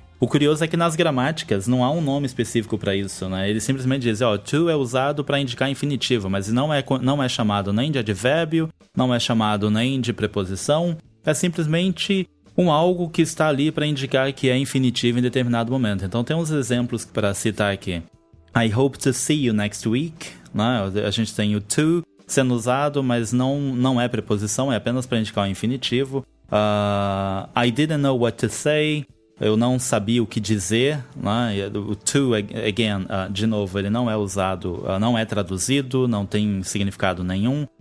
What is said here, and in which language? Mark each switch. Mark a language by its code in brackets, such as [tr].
[pt] O curioso é que nas gramáticas não há um nome específico para isso, né? Ele simplesmente diz, ó, to é usado para indicar infinitivo, mas não é chamado nem de advérbio, não é chamado nem de preposição, é simplesmente um algo que está ali para indicar que é infinitivo em determinado momento. Então tem uns exemplos para citar aqui. [en] I hope to see you next week, [pt] né? A gente tem o to sendo usado, mas não é preposição, é apenas para indicar o infinitivo. [en] I didn't know what to say. [pt] Eu não sabia o que dizer, né? O to, again, de novo, ele não é usado, não é traduzido, não tem significado nenhum.